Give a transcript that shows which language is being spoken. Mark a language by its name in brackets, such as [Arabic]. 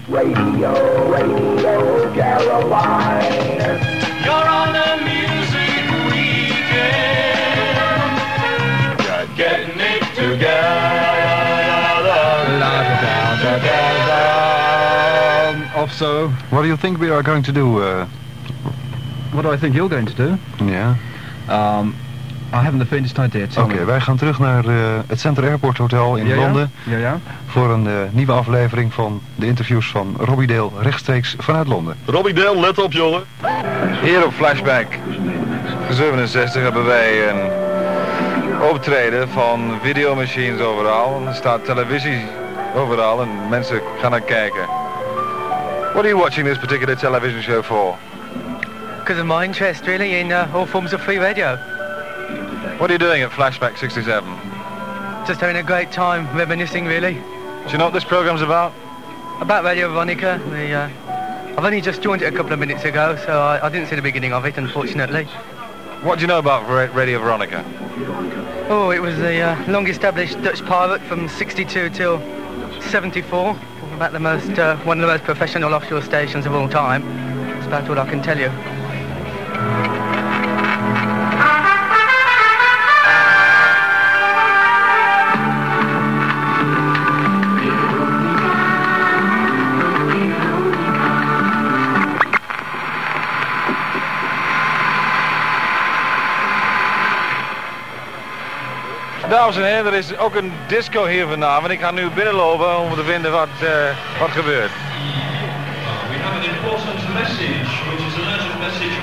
[English] Radio, Caroline. You're on the music weekend. Getting it together. Off so. What do you think we are going to do? What do I think you're going to do? Yeah. I haven't the faintest idea. [Dutch] Okay, wij gaan terug naar het Center Airport Hotel in Londen. Ja, ja. Voor een nieuwe aflevering van de interviews van Robbie Dale rechtstreeks vanuit Londen. Robbie Dale, let op jongen. Hier op Flashback 67 hebben wij een optreden van videomachines overal. Er staat televisie overal en mensen gaan naar kijken. [English] What are you watching this particular television show for? Because of my interest really in all forms of free radio. What are you doing at Flashback 67? Just having a great time, reminiscing really. Do you know what this program's about? About Radio Veronica. I've only just joined it a couple of minutes ago, so I didn't see the beginning of it, unfortunately. What do you know about Radio Veronica? Oh, it was the long-established Dutch pirate from 62 till 74. About the most, one of the most professional offshore stations of all time. That's about all I can tell you. [Dutch] Dames en heren, er is ook een disco hier vanavond. Ik ga nu binnenlopen om te vinden wat gebeurt. [English] We have an important message, which is an message